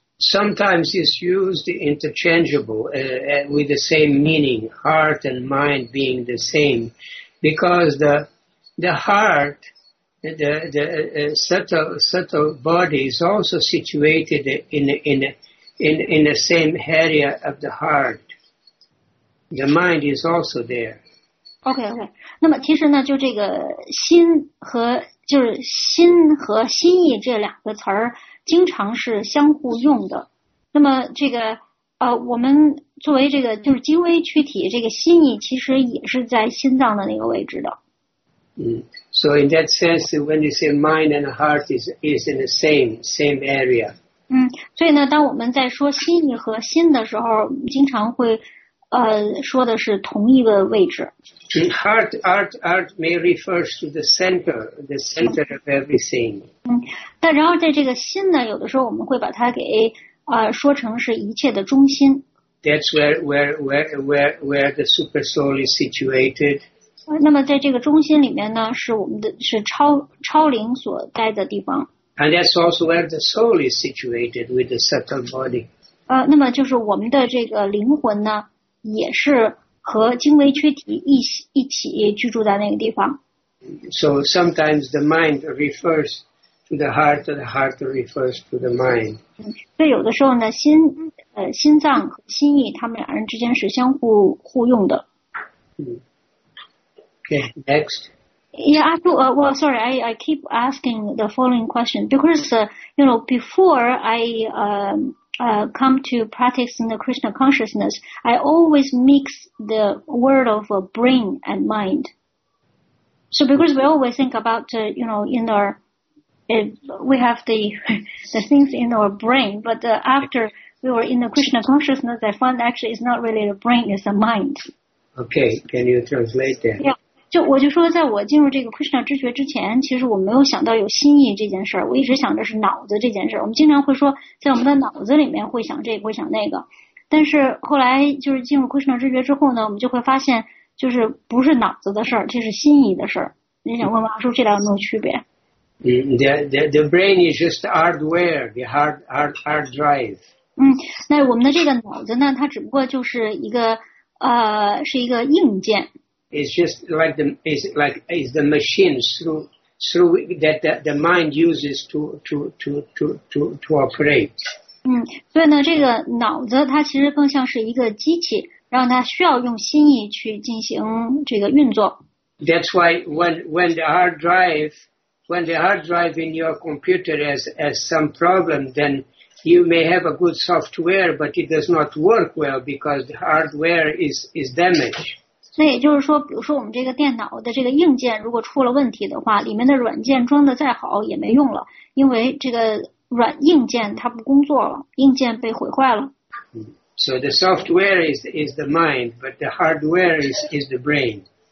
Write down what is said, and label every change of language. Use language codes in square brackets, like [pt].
[en] Sometimes it's used interchangeable with the same meaning, heart and mind being the same. Because the heart, the subtle body is also situated in the same area of the heart. The mind is also there. Okay. [zh] 那么其实呢就这个心和就是心和心意这两个词儿经常是相互用的。那么这个我们作为这个就是精微躯体，这个心意其实也是在心脏的那个位置的。嗯， [en] So in that sense, when you say mind and heart is in the same area. [zh] 所以呢，当我们在说心意和心的时候，经常会说的是同一个位置。 [en] In heart may refers to the center of everything. [zh] 但然后在这个心呢，有的时候我们会把它给说成是一切的中心。 [en] That's where the super soul is situated. [zh] 那么在这个中心里面呢，是我们的是超灵所在的地方。 [en] And that's also where the soul is situated with the subtle body. [zh] 那么就是我们的这个灵魂呢，也是和精微躯体一起居住在那个地方。 [en] So sometimes the mind refers to the heart, or the heart refers to the mind. [zh] 所以有的时候呢，心脏和心意，他们两人之间是相互用的。 [en] Okay, next. Yeah, I keep asking the following question because you know, before I come to practice in the Krishna consciousness, I always mix the word of brain and mind. So because we always think about, you know, in our, we have the things in our brain, but after we were in the Krishna consciousness, I found actually it's not really the brain, it's the mind. Okay, can you translate that? Yeah. [zh] 就我就说在我进入这个 Krishna 知觉之前，其实我没有想到有心意这件事儿，我一直想着是脑子这件事儿。我们经常会说在我们的脑子里面会想这个会想那个，但是后来就是进入 Krishna 知觉之后呢，我们就会发现就是不是脑子的事儿，这是心意的事儿。你想问王叔这两有没有区别？ [en] The brain is just hardware, the hard drive. [zh] 那我们的这个脑子呢，它只不过就是一个是一个硬件。 [en] It's just like it's the machine through that the mind uses to operate. [zh] 所以呢，这个脑子它其实更像是一个机器，让它需要用心意去进行这个运作。 [en] That's why when the hard drive in your computer has some problem, then you may have a good software, but it does not work well because the hardware is damaged. [zh] 那也就是说，比如说我们这个电脑的这个硬件如果出了问题的话，里面的软件装的再好也没用了，因为这个硬件它不工作了，硬件被毁坏了。 [en] So the software is the mind, but the hardware is the brain.